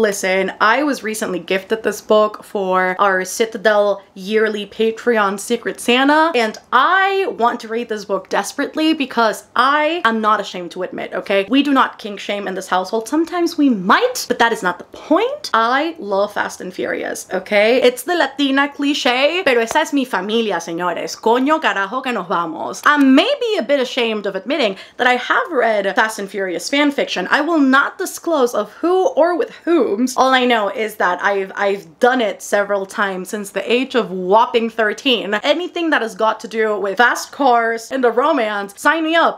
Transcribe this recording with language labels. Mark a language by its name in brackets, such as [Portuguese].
[English] Listen, I was recently gifted this book for our Citadel yearly Patreon Secret Santa, and I want to read this book desperately because I am not ashamed to admit, okay? We do not kink shame in this household. Sometimes we might, but that is not the point. I love Fast and Furious, okay? It's the Latina cliche, [Spanish] pero esa es mi familia, señores. Coño carajo que nos vamos. [English] I may be a bit ashamed of admitting that I have read Fast and Furious fanfiction. I will not disclose of who or with whom. All I know is that I've done it several times since the age of whopping 13. Anything that has got to do with fast cars and a romance, sign me up.